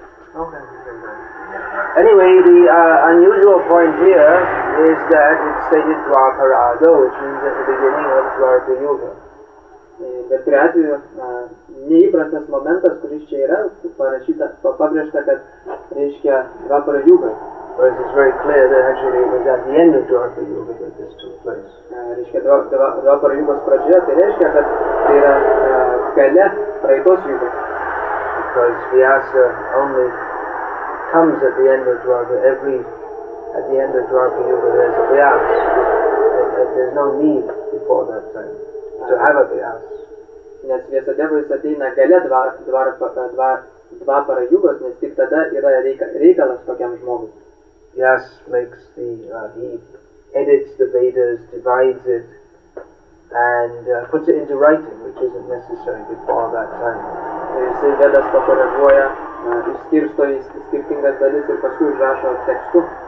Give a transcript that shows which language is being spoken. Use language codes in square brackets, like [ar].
[en] Anyway, the unusual point here is that it stated Dwapara Ado, which means at the beginning of Dwapara Yuga. [lt] Bet kuriuo atveju neįprastas momentas, kuris čia yra parašyta, pabrėžta, kad reiškia Dvapara Yuga. [en] Whereas it's very clear that actually it was at the end of Dvapara Yuga that this took place. [lt] Reiškia Dvapara Yugos pradžioje, tai reiškia, kad tai yra gale praeitos jugos. [en] Because Vyasa only comes at the end of Dvapara, every at the end of Dvapara Yuga there's a Vyasa. There's no need before that time to have a Vyasa. [lt] Nes Vyasadevas ateina gale Dvapara Yugos, nes tik tada yra reikalas tokiam žmogui. [en] Yes, makes the he edits the Vedas, divides it, and puts it into writing, which isn't necessary before that time. [lt] Jis Vedas pakoreguoja, išskirsto į skirtingas dalis ir paskui užrašo tekstu.